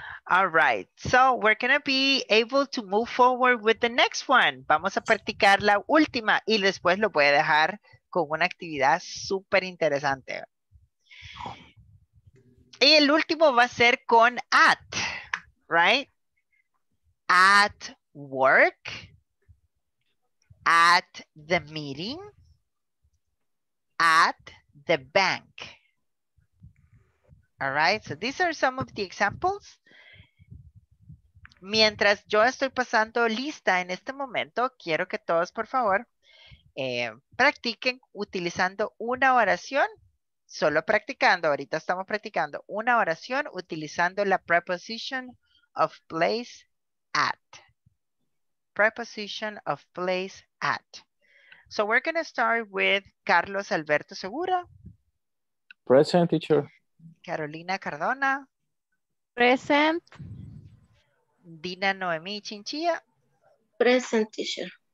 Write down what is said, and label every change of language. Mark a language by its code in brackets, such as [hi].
[en] All right, so we're going to be able to move forward with the next one. [es] Vamos a practicar la última y después lo voy a dejar con una actividad súper interesante. Y el último va a ser con at, right? [en] At work, at the meeting, at the bank. All right, so these are some of the examples. [es] Mientras yo estoy pasando lista en este momento, quiero que todos, por favor, practiquen utilizando una oración, solo practicando, ahorita estamos practicando una oración utilizando la [en] preposition of place at. Preposition of place at. So we're going to start with Carlos Alberto Segura. Present, teacher. Carolina Cardona. Present. Dina Noemí Chinchilla. Present, teacher.